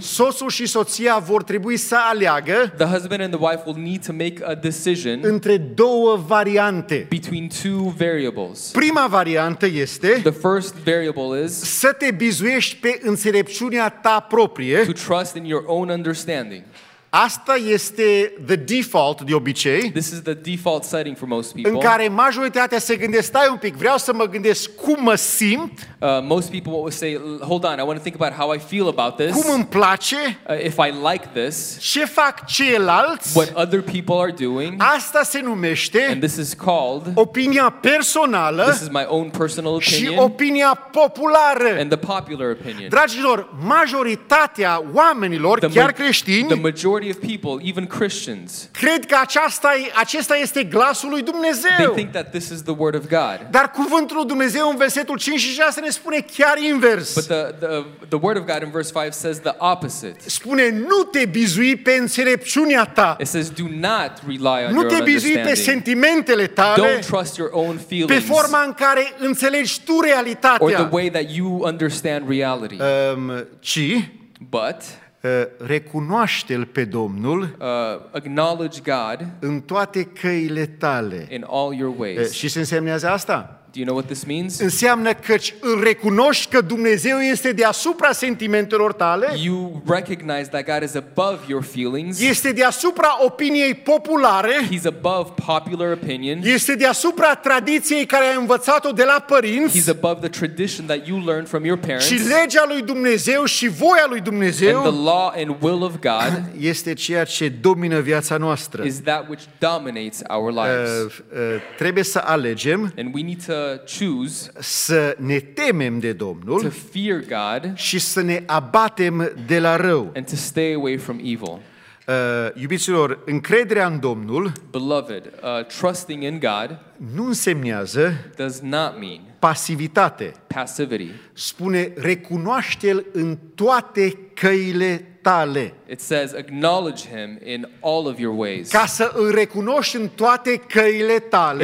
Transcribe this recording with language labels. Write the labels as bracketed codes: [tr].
[ro] soțul și soția vor trebui să aleagă, [en] the husband and the wife will need to make a decision, [ro] între două variante, [en] between two variables. [ro] Prima variantă este, [en] the first variable is, [ro] să te bizuiești pe înțelepciunea ta proprie, [en] to trust in your own understanding. [ro] Asta este [en] the default [ro] de obicei. [en] This is the default setting for most people. [ro] În care majoritatea se gândește, stai un pic, vreau să mă gândesc cum mă simt. [en] Most people will say, hold on, I want to think about how I feel about this. [ro] Cum îmi place? [en] If I like this. [ro] Ce fac ceilalți? [en] What other people are doing. [ro] Asta se numește, [en] and this is called, [ro] opinia personală. [en] This is my own personal opinion. [ro] Și opinia populară. [en] And the popular opinion. [ro] Dragilor, majoritatea oamenilor, chiar creștini, [en] majority of people, even Christians, [ro] cred că acesta este glasul lui Dumnezeu. [en] They think that this is the word of God. [ro] Dar cuvântul lui Dumnezeu în versetul 5 și 6 ne spune chiar invers. [en] But the word of God in verse 5 says the opposite. [ro] Spune nu te bizui pe înțelepciunea ta. [en] It says do not rely on [ro] nu [en] your own understanding. [ro] Nu te bizui pe sentimentele tale. [en] Don't trust your own feelings. [ro] Pe forma în care înțelegi tu realitatea. [en] Or the way that you understand reality. [ro] Ci. [en] But. [ro] Recunoaște-l pe Domnul [en] acknowledge God [ro] în toate căile tale. [en] In all your ways. [ro] Și ce înseamnă asta? [en] Do you know what this means? [ro] Înseamnă că îl recunoști că Dumnezeu este deasupra sentimentelor tale. [en] You recognize that God is above your feelings. [ro] Este deasupra opiniei populare. [en] He's above popular opinion. [ro] Este deasupra tradiției care ai învățat-o de la părinți. [en] He's above the tradition that you learned from your parents. [ro] Și legea lui Dumnezeu și voia lui Dumnezeu. [en] And the law and will of God. [ro] Este ceea ce domină viața noastră. [en] Is that which dominates our lives. [ro] Trebuie să alegem. [en] And we need to choose [ro] să ne temem de Domnul, [en] to fear God, [ro] și să ne abatem de la rău, [en] and to stay away from evil. [ro] Iubiților, încrederea în Domnul, [en] beloved, trusting in God, [ro] nu însemnează, [en] does not mean, [ro] pasivitate. [en] Passivity. [ro] Spune recunoaște-l în toate căile tale. [en] It says acknowledge him in all of your ways. [ro] Ca să îl recunoști în toate căile tale.